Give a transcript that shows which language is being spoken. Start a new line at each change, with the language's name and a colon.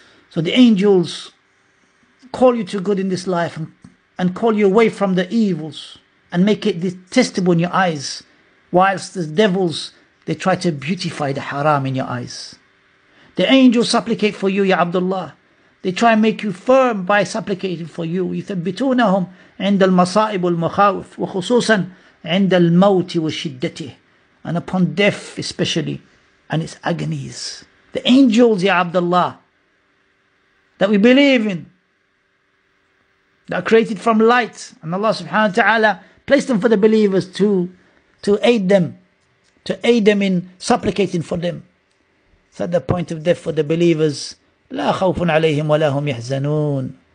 English: So the angels call you to good in this life and call you away from the evils and make it detestable in your eyes, whilst the devils, they try to beautify the haram in your eyes. The angels supplicate for you, Ya Abdullah. They try and make you firm by supplicating for you.
Arabic: يثبتونهم عند المصائب والمخاوف وخصوصا عند الموت وشدته,
English: and upon death especially and its agonies. The angels, Ya Abdullah, that we believe in, that are created from light, and Allah subhanahu wa ta'ala placed them for the believers to aid them in supplicating for them. So at the point of death for the believers,
Arabic: لا خوف عليهم ولا هم يحزنون.